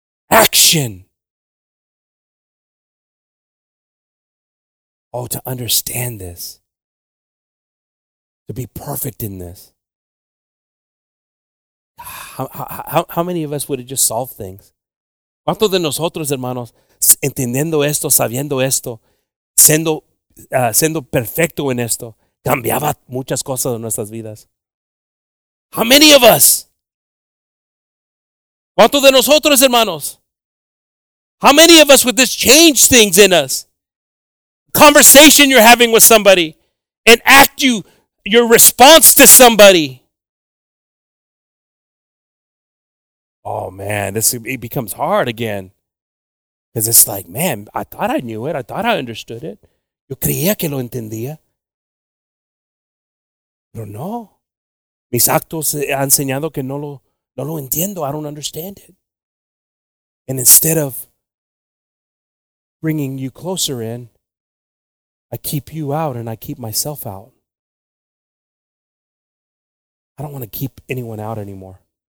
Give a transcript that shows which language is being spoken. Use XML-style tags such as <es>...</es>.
<en>Action. Oh, to understand this. To be perfect in this. How many of us would have just solved things?</en> <es>¿Cuántos de nosotros, hermanos, entendiendo esto, sabiendo esto, siendo perfecto en esto, cambiaba muchas cosas en nuestras vidas?</es> <en>How many of us?</en> <es>¿Cuántos de nosotros, hermanos?</es> <en>How many of us would this change things in us? Conversation you're having with somebody, an act you, your response to somebody. Oh man, this it becomes hard again. Because it's like, man, I thought I knew it. I thought I understood it.</en> <es>Yo creía que lo entendía. Pero no. Mis actos han enseñado que no lo entiendo.</es> <en>I don't understand it. And instead of bringing you closer in, I keep you out and I keep myself out. I don't want to keep anyone out anymore.</en>